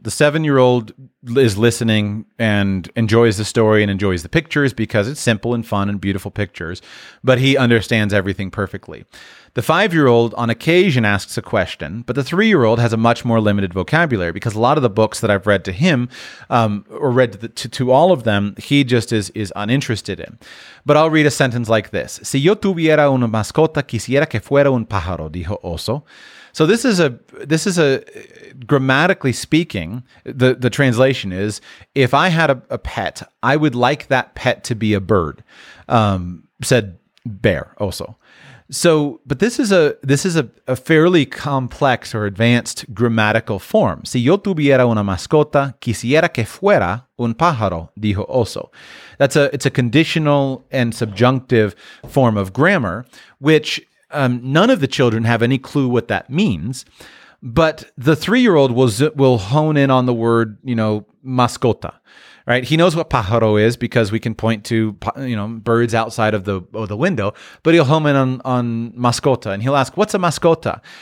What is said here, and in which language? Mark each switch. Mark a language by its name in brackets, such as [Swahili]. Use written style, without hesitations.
[English] The seven-year-old is listening and enjoys the story and enjoys the pictures because it's simple and fun and beautiful pictures, but he understands everything perfectly. The five-year-old on occasion asks a question, but the three-year-old has a much more limited vocabulary because a lot of the books that I've read to him or read to all of them, he just is uninterested in. But I'll read a sentence like this. [Spanish] Si yo tuviera una mascota, quisiera que fuera un pájaro, dijo Oso. [English] So this is a grammatically speaking, the translation is, if I had a pet, I would like that pet to be a bird, said Bear also. So, but this is a fairly complex or advanced grammatical form. [Spanish] Si yo tuviera una mascota, quisiera que fuera un pájaro, dijo Oso. [English] It's a conditional and subjunctive form of grammar, which none of the children have any clue what that means, but the three-year-old will hone in on the word, you know, mascota, right? He knows what pájaro is because we can point to, you know, birds outside of the window, but he'll hone in on mascota, and he'll ask, what's a mascota?